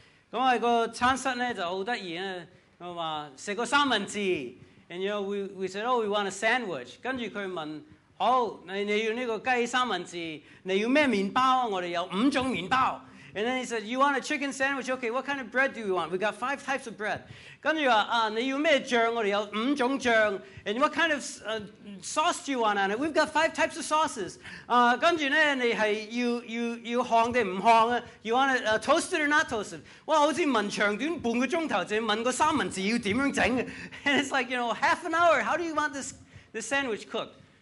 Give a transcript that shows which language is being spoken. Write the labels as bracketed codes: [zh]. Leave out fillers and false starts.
[yue] 咁我個餐室咧就好得意咧，我話食個三文治， [en] and you know we said, oh, we want a sandwich. [yue] 跟住佢問，好，你要呢個雞三文治，你要咩麵包啊？我哋有五種麵包。 [en] And then he said, you want a chicken sandwich? Okay, what kind of bread do you want? We got five types of bread. [yue] 跟住說,你要什麼醬?我們有五種醬. [en] And what kind of sauce do you want on it? We've got five types of sauces. [yue] 跟住呢,你是要烘還是不烘? [en] You want it toasted or not toasted? [yue] 哇,好像問長短半個小時,問個三文治要怎樣弄? [en] And it's like, you know, half an hour, how do you want this sandwich cooked?